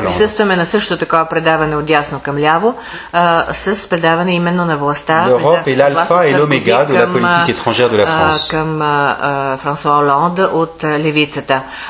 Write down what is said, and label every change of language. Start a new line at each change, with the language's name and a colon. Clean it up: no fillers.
Bulgarian: присъстваме на същото такова предаване от дясно към ляво, с предаване именно на властта.
French: L'Europe est l'alpha et l'omega de la politique étrangère de la France.
Bulgarian: Към Франсуа Оланд от левицата.